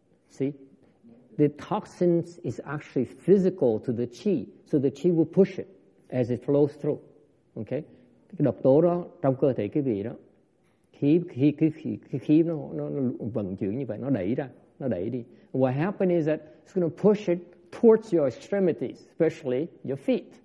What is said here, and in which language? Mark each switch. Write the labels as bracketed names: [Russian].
[English] See? The toxins is actually physical to the chi, so the chi will push it as it flows through. Okay? [Vietnamese] Cái độc tố đó trong cơ thể quý vị đó, khí nó vận chuyển như vậy, nó đẩy ra, nó đẩy đi. [English] What happens is that it's going to push it towards your extremities, especially your feet.